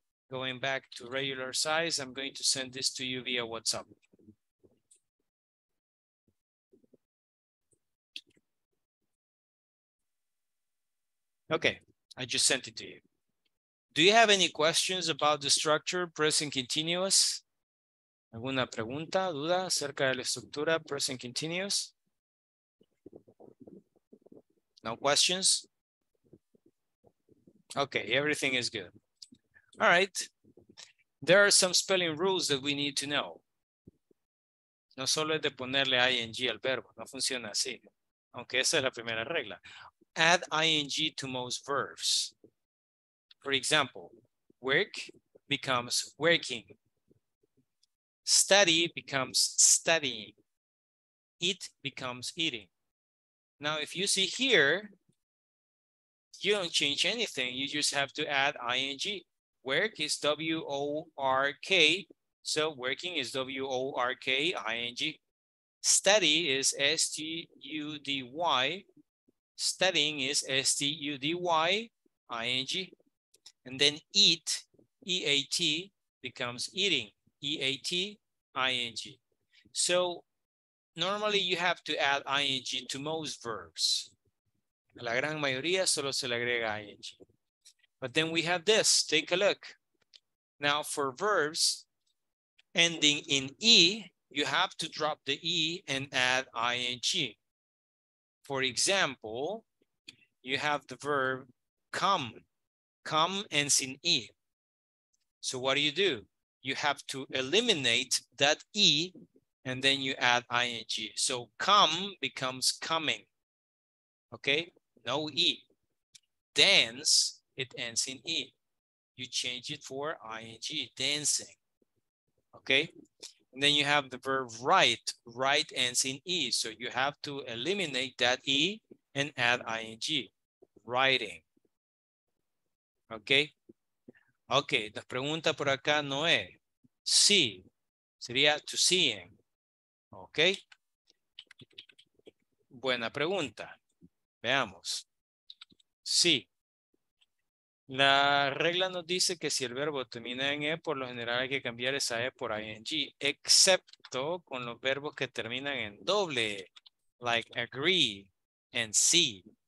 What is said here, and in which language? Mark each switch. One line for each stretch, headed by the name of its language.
English: Going back to regular size, I'm going to send this to you via WhatsApp. Okay, I just sent it to you. Do you have any questions about the structure present continuous?
Spanish: ¿Alguna pregunta, duda acerca de la estructura present continuous?
English: No questions? Okay, everything is good. All right. There are some spelling rules that we need to know.
Spanish: No solo es de ponerle ing al verbo, no funciona así. Aunque esa es la primera regla.
English: Add ing to most verbs. For example, work becomes working. Study becomes studying. Eat becomes eating. Now, if you see here, you don't change anything. You just have to add ing. Work is W-O-R-K. So working is W-O-R-K-I-N-G. Study is S-T-U-D-Y. Studying is S-T-U-D-Y-I-N-G. And then eat, E-A-T, becomes eating, E-A-T-I-N-G. So normally you have to add ing to most verbs.
Spanish: La gran mayoría solo se le agrega ing.
English: But then we have this, take a look. Now for verbs ending in E, you have to drop the E and add ing. For example, you have the verb come. Come ends in E. So what do? You have to eliminate that E and then you add ing. So come becomes coming. Okay, no E. Dance, it ends in E. You change it for ing, dancing. Okay, and then you have the verb write. Write ends in E. So you have to eliminate that E and add ing, writing.
Spanish: Okay, okay, la pregunta por acá no es, see, sería to seeing, okay, buena pregunta, veamos, see, la regla nos dice que si el verbo termina en E, por lo general hay que cambiar esa E por ing, excepto con los verbos que terminan en doble,
English: like agree and see.